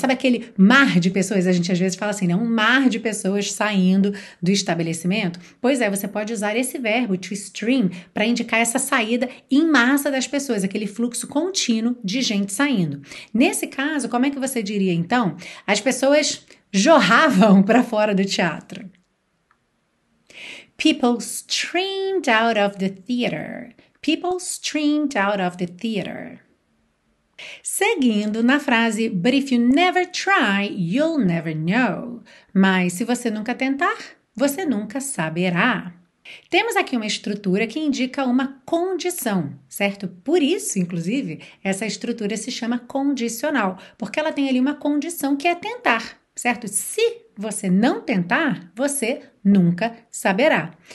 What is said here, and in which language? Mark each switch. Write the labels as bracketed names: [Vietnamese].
[Portuguese] Sabe aquele mar de pessoas? A gente às vezes fala assim, né? Um mar de pessoas saindo do estabelecimento. Pois é, você pode usar esse verbo to stream para indicar essa saída em massa das pessoas, aquele fluxo contínuo de gente saindo. Nesse caso, como é que você diria então? As pessoas jorravam para fora do teatro. [English] People streamed out of the theater. People streamed out of the theater. [Portuguese] Seguindo na frase, [English] but if you never try, you'll never know. [Portuguese] Mas se você nunca tentar, você nunca saberá. Temos aqui uma estrutura que indica uma condição, certo? Por isso, inclusive, essa estrutura se chama condicional, porque ela tem ali uma condição que é tentar, certo? Se você não tentar, você nunca saberá.